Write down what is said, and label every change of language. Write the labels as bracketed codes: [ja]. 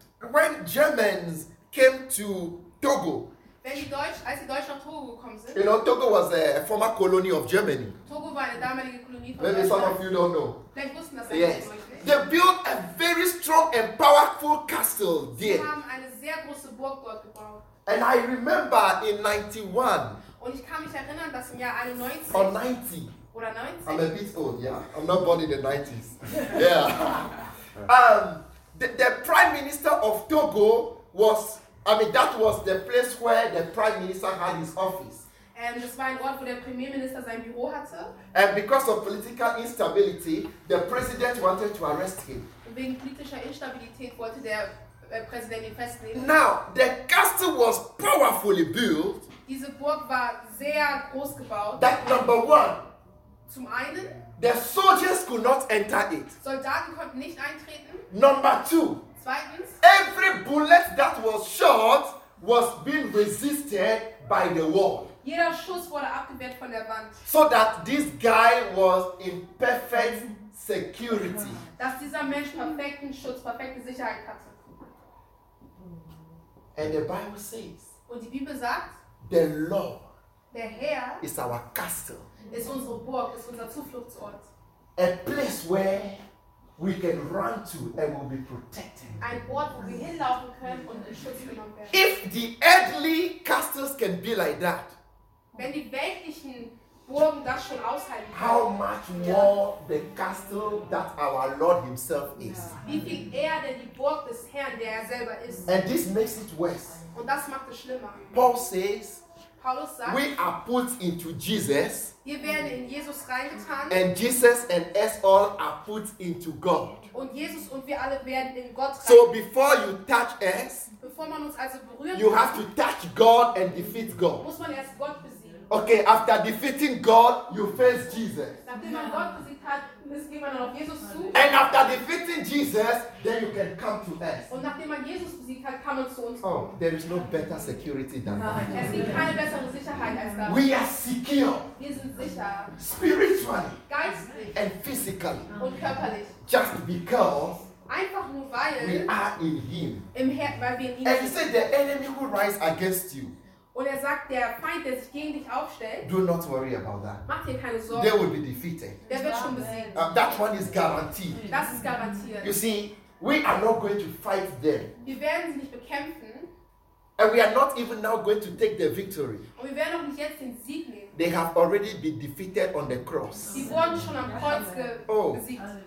[en] When Germans came to Togo. [de] Wenn die Deutschen, als die Deutschen nach Togo gekommen sind. [en] You know, [de] Togo war eine damalige Kolonie von [en] Maybe Maybe some of you don't know. [de] Vielleicht wussten das yes. nicht. [en] They built a very strong and powerful castle there. [de] Sie haben eine sehr große Burg dort gebaut. [en] And I remember in 91. [de] Und ich kann mich erinnern, dass im Jahr 91. [en] Or 90. [de] Oder [en] 90. I'm a bit old, yeah. I'm not born in the 90s. Yeah. The Prime Minister of Togo was... I mean, that was the place where the Prime Minister had his office. [de] And das war ein Ort, wo der Premierminister sein Büro hatte. [en] And because of political instability, the president wanted to arrest him. [de] Wegen politischer Instabilität wollte der Präsident ihn festnehmen. [en] Now, the castle was powerfully built. [de] Diese Burg war sehr groß gebaut. [en] That number one. [de] Zum einen. [en] The soldiers could not enter it. [de] Soldaten konnten nicht eintreten. [en] Number two. [de] Zweitens, [en] every bullet that was shot was being resisted by the wall. [de] Jeder Schuss wurde abgewehrt von der Wand. [en] So that this guy was in perfect security. [de] Dass dieser Mensch perfekten Schutz, perfekte Sicherheit hatte. [en] And the Bible says, [de] und die Bibel sagt, [en] the Lord, [de] der Herr, [en] is our castle. [de] Ist unsere Burg, ist unser Zufluchtsort. [en] A place where we can run to and we'll be protected. [de] Ein Ort, wo wir hinlaufen können und in Schutz genommen werden. [en] If the earthly castles can be like that, [de] wenn die weltlichen Burgen das schon aushalten können, [en] how much more the castle that our Lord himself is. [de] Wie viel eher denn die Burg des Herrn, der er selber ist. [en] And this makes it worse. [de] Und das macht es schlimmer. [en] Paul says, [de] Paulus sagt, [en] we are put into Jesus. [de] Wir werden in Jesus reingetan. [en] And Jesus and us all are put into God. [de] Und Jesus und wir alle werden in Gott rein. [en] So before you touch us, [de] bevor man uns also berührt, [en] you have to touch God and defeat God. [de] Muss man erst Gott besiegen. [en] Okay, after defeating God, you face Jesus. [de] Nachdem man Gott besiegt hat, muss man auf Jesus zu. [en] And after defeating Jesus, then you can come to us. [de] Und nachdem man Jesus besiegt hat, kann man zu uns. [en] Oh, there is no better security than that. [de] Es gibt keine bessere Sicherheit als das. [en] We are secure. [de] Wir sind sicher. [en] Spiritually. [de] Geistlich. [en] And physically. [de] Und körperlich. [en] Just because. [de] Einfach nur weil. [en] We are in Him. [de] Im Herz, weil wir in ihm. [en] And He said, the enemy will rise against you. [de] Und er sagt, der Feind, der sich gegen dich aufstellt, [en] do not worry about that. [de] Mach dir keine Sorgen. [en] They will be defeated. [de] Der wird schon besiegt. [en] That one is guaranteed. [de] Das ist garantiert. [en] You see, we are not going to fight them. [de] Wir werden sie nicht bekämpfen. [en] And we are not even now going to take the victory. [de] Und wir werden auch nicht jetzt den Sieg nehmen. [en] They have already been defeated on the cross. [de] Sie wurden schon am Kreuz besiegt.